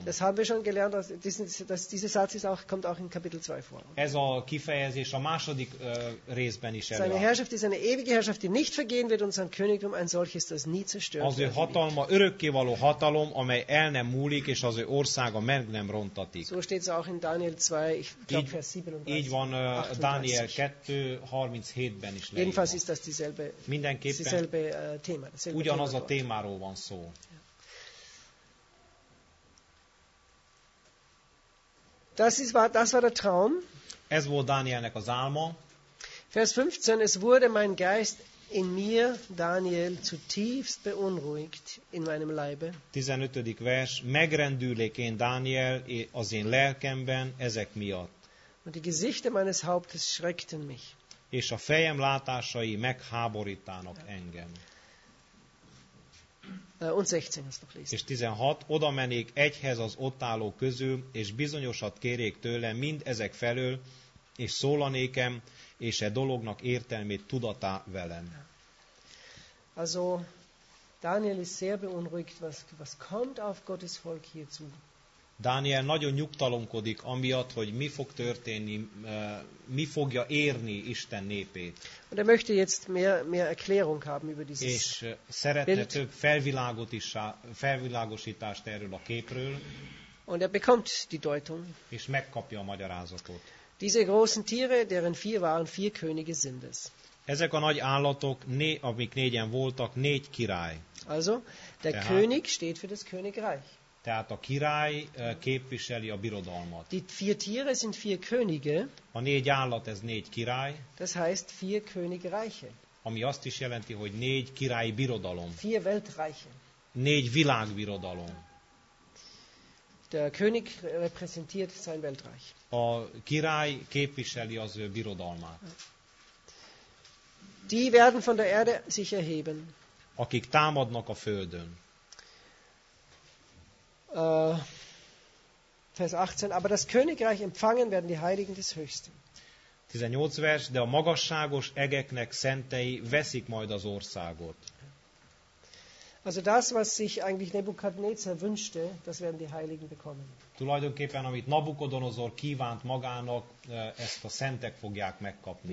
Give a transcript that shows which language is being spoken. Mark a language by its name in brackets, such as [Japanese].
[German] Das haben wir schon gelernt, dass dieser Satz ist auch, kommt auch in Kapitel 2 vor. [Hungarian] Ez a kifejezés a második részben is előáll. [German] Seine Herrschaft ist eine ewige Herrschaft, die nicht vergehen wird, und sein Königtum ein solches, das nie zerstört wird. [Hungarian] Az ő hatalma örökkévaló hatalom, amely el nem múlik, és az ő országa meg nem rontatik. [German] So steht auch in Daniel 2, ich glaube Vers 37. [Hungarian] Így van Daniel 2, 37-ben is leírva. [German] Jedenfalls ist das dieselbe, [Hungarian] mindenképpen [German] dieselbe Thema. Dieselbe [Hungarian] ugyanaz a témáról van szó. [German] Das war der Traum. [Hungarian] Ez volt Dánielnek az álma. [German] Vers 15, es wurde mein Geist in mir, Daniel, zutiefst beunruhigt in meinem Leibe. [Hungarian] 15. vers, megrendülék én, Daniel, az én lelkemben ezek miatt. [German] Und die Gesichter meines Hauptes schreckten mich. [Hungarian] És a fejem látásai megháborítanak engem. [German] Und 16, [Hungarian] ezt lesz. És 16, oda menék egyhez az ott álló közül, és bizonyosat kérjék tőle mind ezek felől, és szólanékem, és e dolognak értelmét tudatá velem. [German] Also Daniel ist sehr beunruhigt, was kommt auf Gottes Volk hierzu. [Hungarian] Daniel nagyon nyugtalankodik amiatt, hogy mi fog történni, mi fogja érni Isten népét. [German] Und er möchte jetzt mehr Erklärung haben über dieses. [Hungarian] És szeretne [German] Bild. [Hungarian] Több felvilágosítást erről a képről. [German] Und er bekommt die Deutung. [Hungarian] És megkapja a magyarázatot. [German] Diese großen Tiere, deren vier waren, vier Könige sind es. [Hungarian] Ezek a nagy állatok, amik négyen voltak, négy király. [German] Also, der [Hungarian] tehát, [German] König steht für das Königreich. [Hungarian] Tehát a király képviseli a birodalmat. [German] Die vier Tiere sind vier Könige. [Hungarian] A négy állat, ez négy király. [German] Das heißt, vier Königreiche. [Hungarian] Ami azt is jelenti, hogy négy királyi birodalom. [German] Vier Weltreiche. [Hungarian] Négy világbirodalom. [German] Der König repräsentiert sein Weltreich. [Hungarian] A király képviseli az ő birodalmát. [German] Die werden von der Erde sich erheben. [Hungarian] Akik támadnak a földön. [German] Vers 18, aber das Königreich empfangen werden die Heiligen des Höchsten. [Hungarian] 18 vers, de a magasságos egeknek szentei veszik majd az országot. [German] Also das, was sich eigentlich Nebukadnezar wünschte, das werden die Heiligen bekommen. [Hungarian] Tulajdonképpen, amit Nabukodonozor kívánt magának, ezt a szentek fogják megkapni.